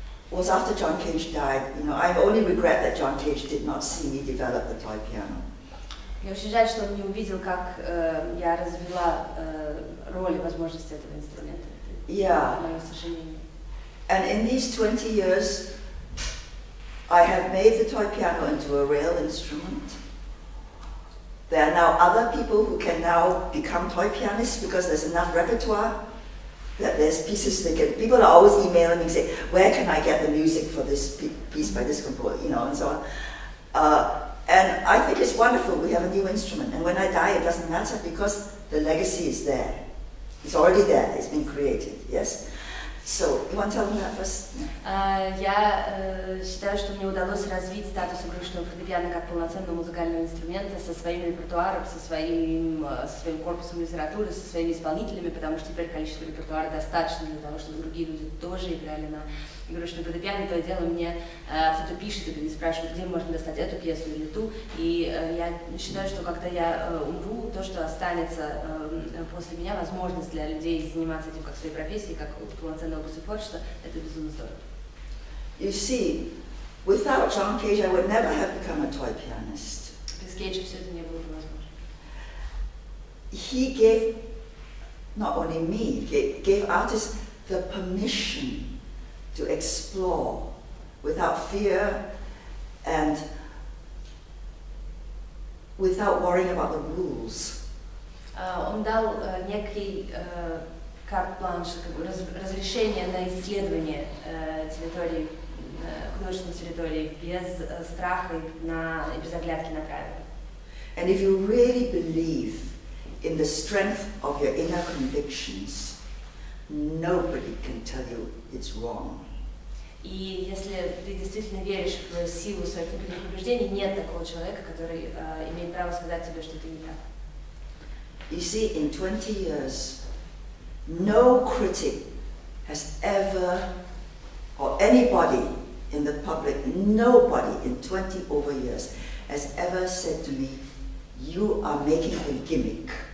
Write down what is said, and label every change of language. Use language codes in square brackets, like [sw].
[en] Was after John Cage died. You know, I only regret that John Cage did not see me develop the toy piano. [ru] Мне очень жаль, что он не увидел, как я развела роль и возможности этого инструмента. [en] Yeah. [ru] Это мое сожаление. [en] And in these 20 years, I have made the toy piano into a real instrument. There are now other people who can now become toy pianists because there's enough repertoire that there's pieces they can. People are always emailing me and say, where can I get the music for this piece by this composer, you know, and so on. And I think it's wonderful we have a new instrument, and when I die it doesn't matter because the legacy is there. It's already there, it's been created, yes? So, you want to tell them that first? [ru] Я считаю, что мне удалось развить статус игрушечного фортепиано как полноценного музыкального инструмента со своим репертуаром, со своим корпусом литературы, со своими исполнителями, потому что теперь количество репертуара достаточно для того, чтобы другие люди тоже играли на игрушечном фортепиано. То дело мне кто-то пишет, кто-то не спрашивает, где можно достать эту пьесу или ту. И я считаю, что когда я умру, то, что останется после меня, возможность для людей заниматься этим как своей профессией, как полноценного образом творчества, это безумно здорово. [en] You see, without John Cage, I would never have become a toy pianist. [ru] Без Кейджа все это не было бы возможно. [en] He gave, not only me, gave artists the permission to explore without fear and without worrying about the rules. [ru] Он дал некий карт-бланш, разрешение на исследование территории. Художественной территории без страха и без оглядки на правила. [en] And if you really believe in the strength of your inner convictions, nobody can tell you it's wrong. [ru] И если ты действительно веришь в силу своих внутренних убеждений, нет такого человека, который имеет право сказать тебе, что ты не прав. [en] You see, in 20 years, no critic has ever, or anybody in the public, nobody in 20 over years has ever said to me, you are making a gimmick.